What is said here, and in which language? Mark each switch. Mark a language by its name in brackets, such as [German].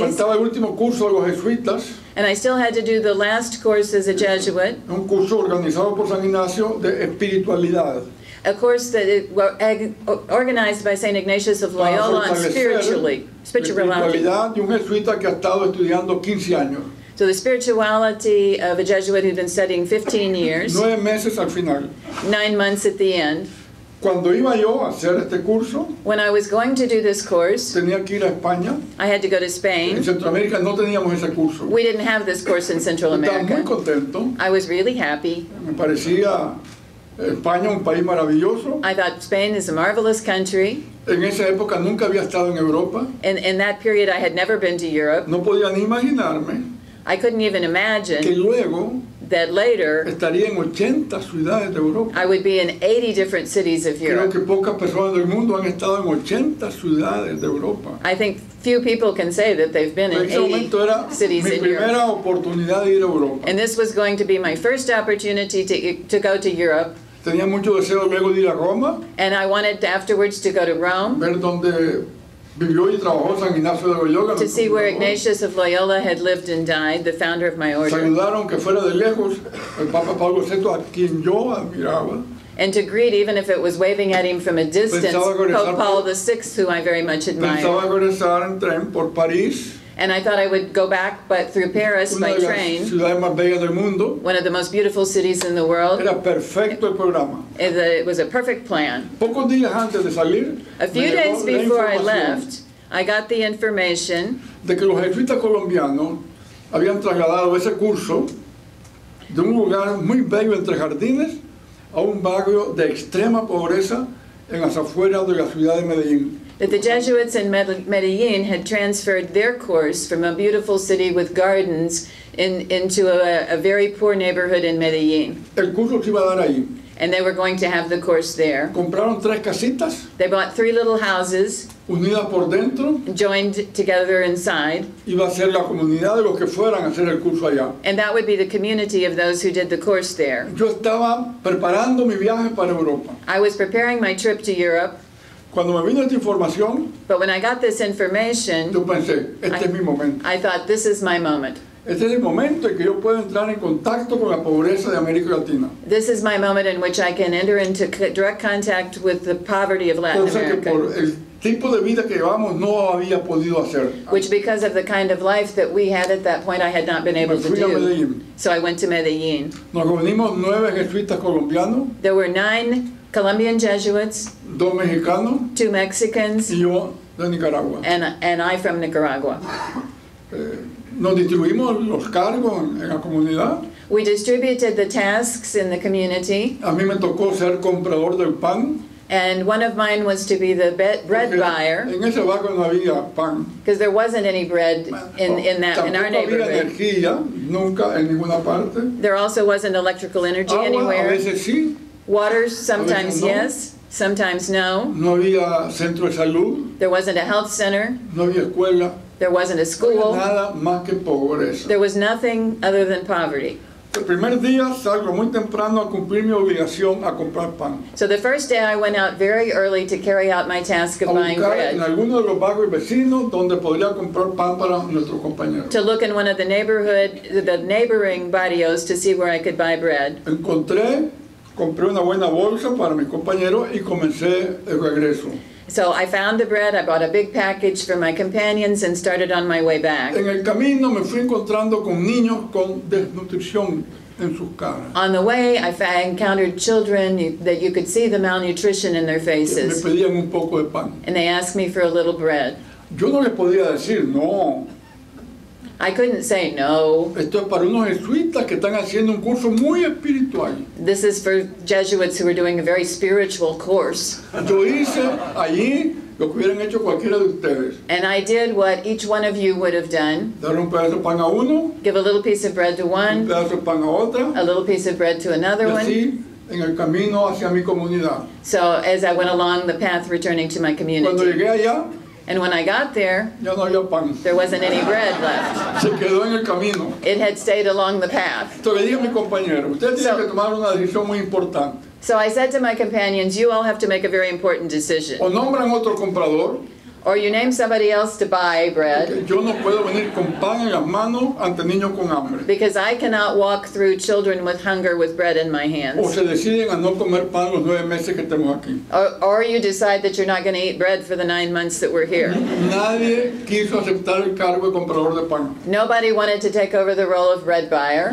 [Spanish] Me faltaba el último curso de los jesuitas. [English] And I still had to do the last course as a Jesuit. [Spanish] Un curso organizado por San Ignacio de espiritualidad. [English] A course that was organized by St. Ignatius of Loyola on [Spanish] spirituality. Un jesuita que ha estado estudiando 15 años. [English] So the spirituality of a Jesuit who'd been studying 15 years. [Spanish] 9 meses al final. [English] 9 months at the end. [Spanish] Cuando iba yo a hacer este curso, [English] when I was going to do this course, [Spanish] tenía que ir a España. [English] I had to go to Spain. [Spanish] En Centroamérica no teníamos ese curso. [English] We didn't have this course in Central America. [Spanish] Estaba muy contento. [English] I was really happy. [Spanish] Me parecía España un país maravilloso. [English] I thought Spain is a marvelous country. [Spanish] En esa época nunca había estado en Europa. [English] In that period I had never been to Europe. [Spanish] No podía ni imaginarme. [English] I couldn't even imagine [Spanish] que luego, [English] that later [Spanish] estaría en 80 ciudades de Europa. [English] I would be in 80 different cities of Europe. [Spanish] Creo que pocas personas del mundo han estado en 80 ciudades de Europa. [English] I think few people can say that they've been [Spanish] en 80 era [English] cities [Spanish] mi [English] in [Spanish] primera [English] Europe. [Spanish] Oportunidad de ir a Europa. [English] And this was going to be my first opportunity to go to Europe. [Spanish] Tenía mucho deseo luego de ir a Roma. [English] And I wanted afterwards to go to Rome. [Spanish] Ver donde vivió y trabajó San Ignacio de Loyola. [English] To see where Ignatius of Loyola had lived and died, the founder of my order. [Spanish] Saludaron que fuera de lejos el Papa Pablo VI, a quien yo admiraba. [English] And to greet, even if it was waving at him from a distance, Pope Paul VI, who I very much admired. [Spanish] Pensaba regresar en tren por París. [English] And I thought I would go back, but through Paris [Spanish] una [English] by train. [Spanish] De las ciudades más bellas del mundo. [English] One of the most beautiful cities in the world. [Spanish] Era perfecto el programa. [English] It was a perfect plan. [Spanish] Pocos días antes de salir, [English] a few days before I left, I got the information [Spanish] de que los jesuitas colombianos habían trasladado ese curso de un lugar muy bello entre jardines a un barrio de extrema pobreza en las afueras de la ciudad de Medellín. [English] That the Jesuits in Medellin had transferred their course from a beautiful city with gardens into a very poor neighborhood in Medellin. [Spanish] El curso se iba a dar ahí. [English] And they were going to have the course there. [Spanish] Compraron tres casitas. [English] They bought three little houses. [Spanish] Unidas por dentro. [English] Joined together inside. [Spanish] Iba a ser la comunidad de los que fueran a hacer el curso allá. [English] And that would be the community of those who did the course there. [Spanish] Yo estaba preparando mi viaje para Europa. [English] I was preparing my trip to Europe. [Spanish] Cuando me vino esta información, [English] but when I got this information, [Spanish] yo pensé, este es mi momento. [English] I thought, this is my moment. [Spanish] Este es el momento en que yo puedo entrar en contacto con la pobreza de América Latina. [English] This is my moment in which I can enter into direct contact with the poverty of Latin America. [Spanish] Cosa que por el tipo de vida que llevamos no había podido hacer. [English] Which because of the kind of life that we had at that point, I had not been able to do. [Spanish] Me fui a Medellín. [English] So I went to Medellín. [Spanish] Nos reunimos 9 jesuitas colombianos. [English] There were 9 Colombian Jesuits, [Spanish] 2 Mexicanos, [English] 2 Mexicans, [Spanish] y yo de Nicaragua, [English] and I from Nicaragua. [Spanish] Nos distribuimos los cargos en la comunidad. [English] We distributed the tasks in the community. [Spanish] A mí me tocó ser comprador del pan. [English] And one of mine was to be the bread buyer. [Spanish] En ese barrio no había pan. [English] Because there wasn't any bread in that in our neighborhood. [Spanish] Tampoco había energía, nunca en ninguna parte. [English] There also wasn't electrical energy anywhere. [Spanish] A veces sí. [English] Water, sometimes yes, sometimes no. [Spanish] No había centro de salud. [English] There wasn't a health center. [Spanish] No había escuela. [English] There wasn't a school. [Spanish] No había nada más que pobreza. [English] There was nothing other than poverty. [Spanish] El primer día salgo muy temprano a cumplir mi obligación a comprar pan. [English] So the first day I went out very early to carry out my task of buying bread. [Spanish] A buscar en alguno de los barrios vecinos donde podría comprar pan para nuestros compañeros. [English] To look in one of the neighboring barrios to see where I could buy bread. [Spanish] Encontré, compré una buena bolsa para mis compañeros y comencé el regreso. [English] So I found the bread, I bought a big package for my companions and started on my way back. [Spanish] En el camino me fui encontrando con niños con desnutrición en sus caras. [English] On the way, I encountered children that you could see the malnutrition in their faces. [Spanish] Me pedían un poco de pan. [English] And they asked me for a little bread. [Spanish] Yo no les podía decir no. [English] I couldn't say no. [Spanish] Esto es para unos jesuitas que están haciendo un curso muy espiritual. [English] This is for Jesuits who are doing a very spiritual course. [Spanish] Yo hice allí lo que hubieran hecho cualquiera de ustedes. [English] And I did what each one of you would have done. [Spanish] Dar un pedazo de pan a uno. [English] Give a little piece of bread to one. [Spanish] Un pedazo de pan a otra. [English] A little piece of bread to another [Spanish] y así, [English] one. [Spanish] En el camino hacia mi comunidad. [English] So as I went along the path returning to my community. [Spanish] Cuando llegué allá, [English] and when I got there, [Spanish] ya no había pan. [English] There wasn't any bread left. [Spanish] Se quedó en el camino. [English] It had stayed along the path. So I said to my companions, you all have to make a very important decision. [Spanish] O nombran otro comprador, [English] or you name somebody else to buy bread. Because I cannot walk through children with hunger with bread in my hands. Or you decide that you're not going to eat bread for the 9 months that we're here. [Spanish] Nadie quiso aceptar el cargo de comprador de pan. [English] Nobody wanted to take over the role of bread buyer.